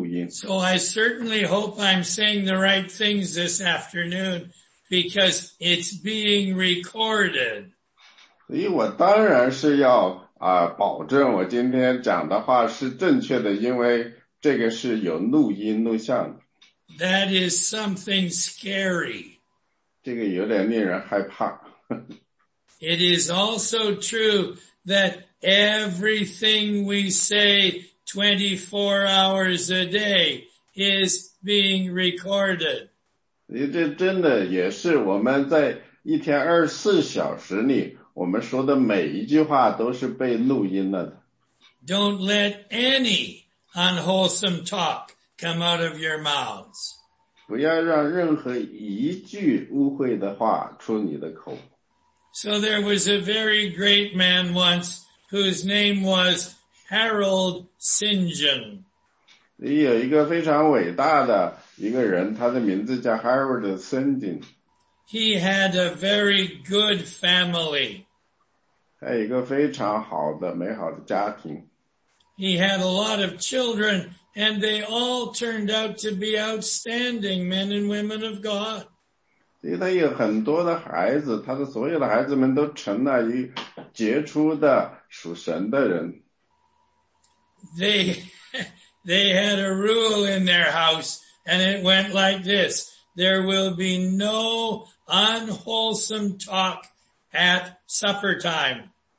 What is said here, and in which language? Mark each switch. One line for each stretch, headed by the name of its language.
English: So I certainly hope I'm saying the right things this afternoon because it's being recorded.
Chinese: 所以我当然是要保证我今天讲的话是正确的，因为这个是有录音录像的。
English: That is something scary.
Chinese: 这个有点令人害怕。
English: It is also true that everything we say 24 hours a day is being recorded.
Chinese: 这真的也是我们在一天24小时里我们说的每一句话都是被录音了的。
English: Don't let any unwholesome talk come out of your mouths.
Chinese: 不要让任何一句污秽的话出你的口。
English: So there was a very great man once whose name was Harold St. John.
Chinese: 有一个非常伟大的一个人，他的名字叫 Harold St. John.
English: He had a very good family.
Chinese: 他有一个非常好的美好的家庭。
English: He had a lot of children, and they all turned out to be outstanding men and women of God.
Chinese: 所以他有很多的孩子，他的所有的孩子们都成了一杰出的属神的人。
English: They had a rule in their house, and it went like this. There will be no unwholesome talk at supper time.